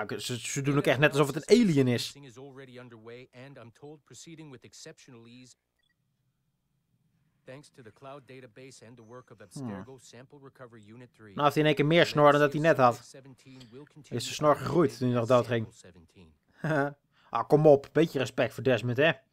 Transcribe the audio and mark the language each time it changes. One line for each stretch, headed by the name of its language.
Dutch: Ze doen ook echt net alsof het een alien is.
English: Is already underway and I'm told proceeding with exceptional ease. Thanks to the cloud database and the work of Abstergo sample recovery unit 3.
Dutch: Nou heeft hij in één keer meer snor dan dat hij net had. Is de snor gegroeid toen hij nog dood ging. Ah, kom op. Beetje respect voor Desmond, hè.